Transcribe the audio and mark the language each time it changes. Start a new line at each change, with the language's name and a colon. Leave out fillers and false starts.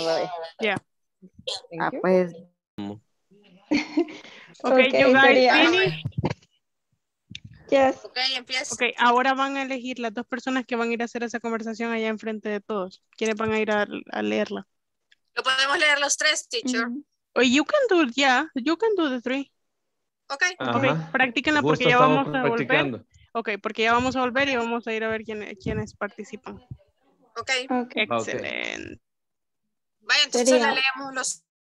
English: Oh, right. Yeah.
Spanish: Ah, pues.
English: Okay, okay, you guys, yes.
Spanish: Okay, empiezo. Okay, ahora van a elegir las dos personas que van a ir a hacer esa conversación allá enfrente de todos. ¿Quiénes van a ir a leerla? Lo podemos leer los tres, teacher. Mm-hmm.
English: Oh, you can do, yeah, you can do the three. Okay.
Spanish: Uh-huh. Okay, practíquenla porque ya vamos a volver. Ok, porque ya vamos a volver y vamos a ir a ver quiénes participan.
English: Ok. Okay.
Spanish: Excelente. Okay. Vaya, entonces sería. La leemos los...